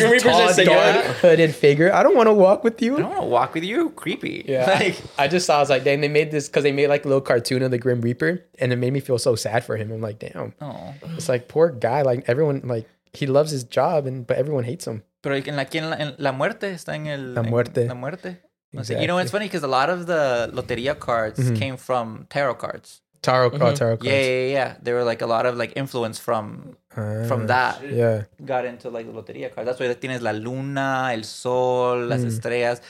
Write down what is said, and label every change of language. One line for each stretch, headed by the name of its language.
English: Grim Reaper's tall, dark, hooded figure. I don't want to walk with you. I don't want to walk with you. Creepy. Yeah. I was like, dang, they made this because they made like a little cartoon of the Grim Reaper and it made me feel so sad for him. I'm like, damn. Oh. It's like, poor guy. Like, everyone, like, he loves his job, but everyone hates him.
Spanish: Pero en la muerte está en el... La muerte. La muerte.
English: Exactly. You know, it's funny because a lot of the Lotería cards came from tarot cards. Tarot cards. Yeah. There were like a lot of like influence from that. Yeah. Got into like the Lotería cards. That's why
Spanish: tienes la luna, el sol, las estrellas.